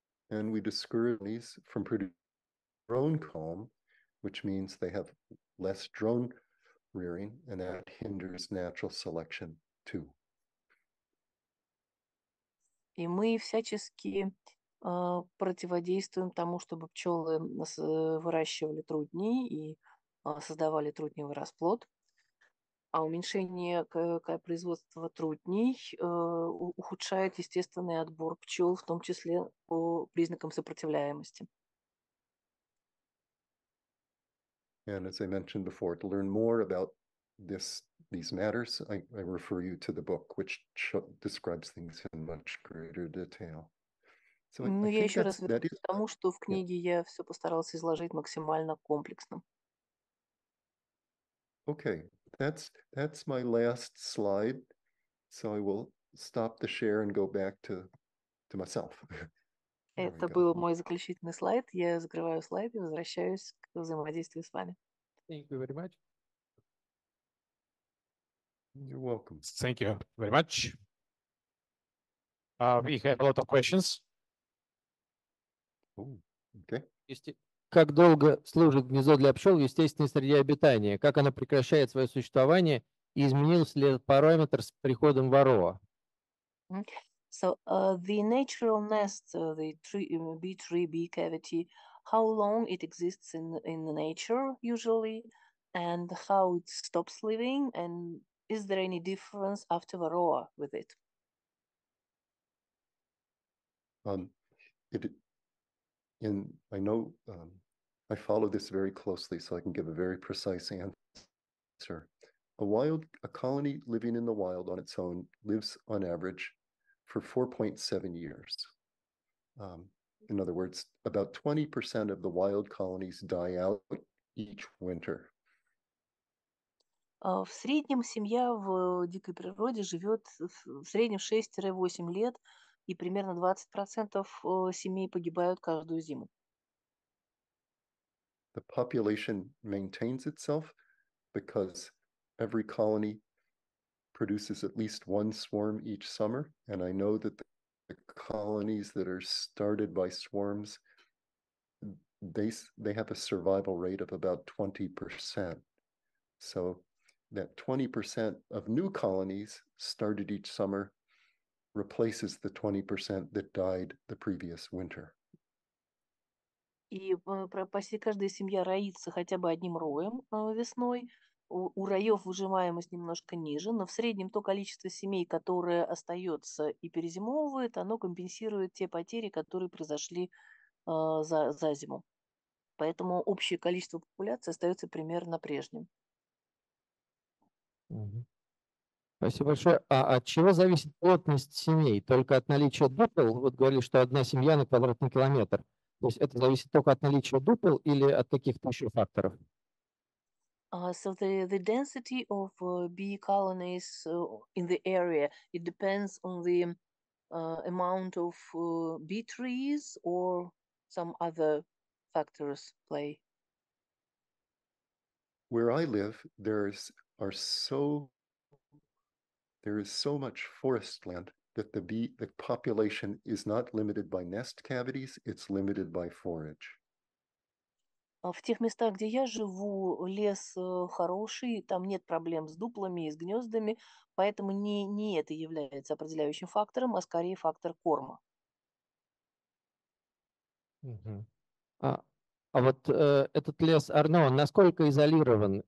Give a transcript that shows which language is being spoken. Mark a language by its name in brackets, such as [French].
[English] And we discourage bees from producing drone comb, which means they have less drone rearing, and that hinders natural selection. [Russian] И мы всячески противодействуем тому, чтобы пчелы выращивали трутни и создавали трутневый расплод, а уменьшение производства трутней ухудшает естественный отбор пчел, в том числе по признакам сопротивляемости. [English] And as I mentioned before, to learn more about these matters, I refer you to the book, which describes things in much greater detail. So I think [Russian] еще раз вернусь к тому, что в книге я все постарался изложить максимально комплексно. [English] Okay, that's my last slide, so I will stop the share and go back to myself. [Russian] Это был мой заключительный слайд. Я закрываю слайд и возвращаюсь к взаимодействию с вами. [English] Thank you very much. You're welcome. Thank you very much. We have a lot of questions. Okay. [Russian] Как долго служит гнездо для пчел в естественной среде обитания? Как оно прекращает свое существование? И изменился ли этот параметр с приходом варроа? [English] So, the natural nest, the bee tree, bee cavity, how long it exists in the nature usually, and how it stops living, and is there any difference after varroa with it? I follow this very closely, so I can give a very precise answer. A colony living in the wild on its own lives on average for 4.7 years. In other words, about 20% of the wild colonies die out each winter. [Russian] В среднем семья в дикой природе живет в среднем 6-8 лет, и примерно 20% семей погибают каждую зиму. [English] The population maintains itself because every colony produces at least one swarm each summer, and I know that the the colonies that are started by swarms, they have a survival rate of about 20%. So that 20% of new colonies started each summer replaces the 20% that died the previous winter. [Russian] И почти каждая семья роится хотя бы одним роем весной. У роев выжимаемость немножко ниже, но в среднем то количество семей, которое остается и перезимовывает, оно компенсирует те потери, которые произошли за зиму. Поэтому общее количество популяции остается примерно прежним. Спасибо большое. А от чего зависит плотность семей? Только от наличия дупел? Вот говорили, что одна семья на квадратный километр. То есть это зависит только от наличия дупел или от каких-то еще факторов? [English] So the density of bee colonies in the area, it depends on the amount of bee trees or some other factors play. Where I live, there is so much forest land that the population is not limited by nest cavities, it's limited by forage. [Russian] В тех местах, где я живу, лес хороший, там нет проблем с дуплами и с гнездами, поэтому не это является определяющим фактором, а скорее фактор корма. А вот этот лес Арно, насколько изолирован?